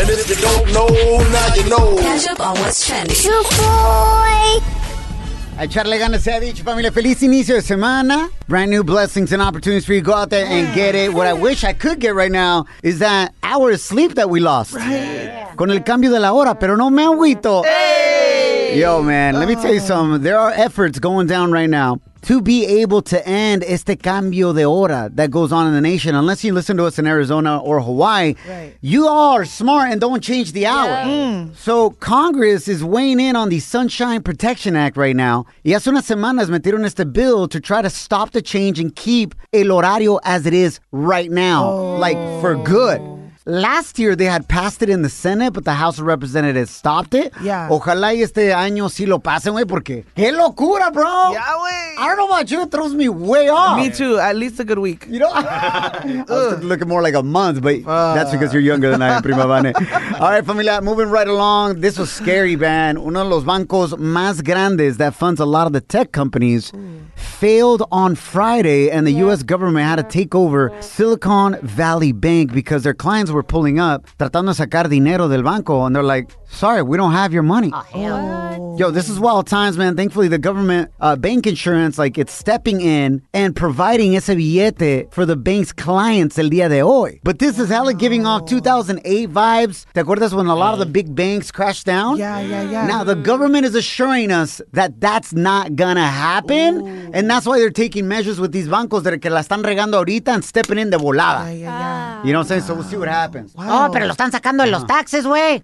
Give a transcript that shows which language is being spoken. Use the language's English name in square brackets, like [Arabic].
[English] And if you don't know, now you know. Catch up on what's trending. The Boy. [Spanish] A echarle ganas, se ha dicho, familia. Feliz inicio de semana. [English] Brand new blessings and opportunities for you. Go out there and get it. What I wish I could get right now is that hour of sleep that we lost. Right. Yeah. [Spanish] Con el cambio de la hora, pero no me agüito. Hey! [English] Yo, man, let me tell you something. There are efforts going down right now to be able to end [Spanish] este cambio de hora [English] that goes on in the nation. Unless you listen to us in Arizona or Hawaii, right, you are smart and don't change the hour. Yeah. Mm. So Congress is weighing in on the Sunshine Protection Act right now. [Spanish] Y hace unas semanas metieron este [English] bill to try to stop the change and keep [Spanish] el horario [English] as it is right now, like for good. Last year, they had passed it in the Senate, but the House of Representatives stopped it. Yeah. [Spanish] Ojalá y este año sí lo pasen, güey, porque qué locura, bro. [English] Yeah, güey. I don't know about you. It throws me way off. Me too. At least a good week. You know? Looking more like a month, but that's because you're younger than I am, Prima Vane. All right, familia, moving right along. This was scary, man. [Spanish] Uno de los bancos más grandes [English] that funds a lot of the tech companies failed on Friday, and the U.S. government had to take over Silicon Valley Bank because their clients were pulling up [Spanish] tratando de sacar dinero del banco, [English] and they're like, sorry, we don't have your money. Yo, this is wild times, man. Thankfully, the government bank insurance, like, it's stepping in and providing [Spanish] ese billete [English] for the bank's clients [Spanish] el día de hoy. [English] But this is hella giving off 2008 vibes. [Spanish] ¿Te acuerdas [English] when a lot of the big banks crashed down? Yeah. Now, the government is assuring us that that's not gonna happen. Ooh. And that's why they're taking measures with these bancos that [Spanish] la están regando ahorita [English] and stepping in [Spanish] de volada. [English] You know what I'm saying? So we'll see what happens. [Spanish] Wow. Oh, pero lo están sacando en los taxes, güey.